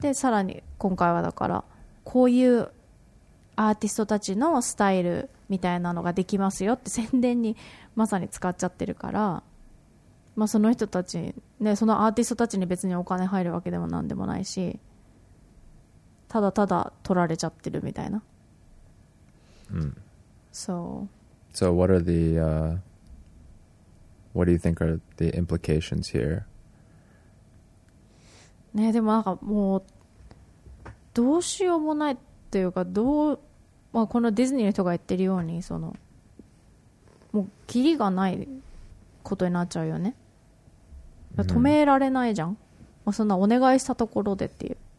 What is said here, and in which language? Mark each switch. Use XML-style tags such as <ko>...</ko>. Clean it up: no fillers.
<ja>でさらに今回はだからこういうアーティストたちのスタイルみたいなのができますよって宣伝にまさに使っちゃってるから、まあ、その人たち、ね、そのアーティストたちに別にお金入るわけでもなんでもないし、ただただ取られちゃってるみたいな。</ja> <en>So, what do you think are the implications here?</en> <ja>ね、でもなんかもうどうしようもないというか、どう、まあ、このディズニーの人が言ってるように、そのもうキリがないことになっちゃうよね。止められないじゃん、まあ、そんなお願いしたところでっていう。</ja>